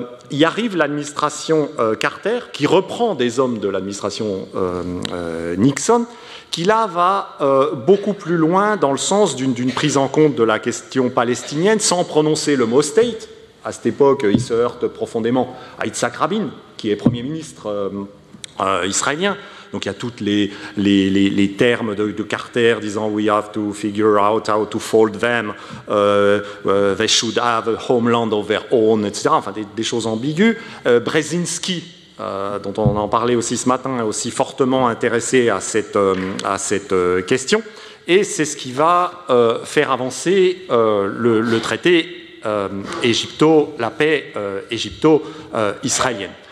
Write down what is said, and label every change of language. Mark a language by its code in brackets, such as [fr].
[fr] Y arrive l'administration Carter, qui reprend des hommes de l'administration Nixon, qui là va beaucoup plus loin dans le sens d'une prise en compte de la question palestinienne, sans prononcer le mot state. À cette époque, il se heurte profondément à Yitzhak Rabin, qui est premier ministre israélien. Donc il y a tous les termes de Carter disant « [en] we have to figure out how to fold them, they should have a homeland of their own [fr] », etc. Enfin, des choses ambiguës. Brzezinski, dont on en parlait aussi ce matin, est aussi fortement intéressé à cette question. Et c'est ce qui va faire avancer le traité égypto, la paix égypto-israélienne.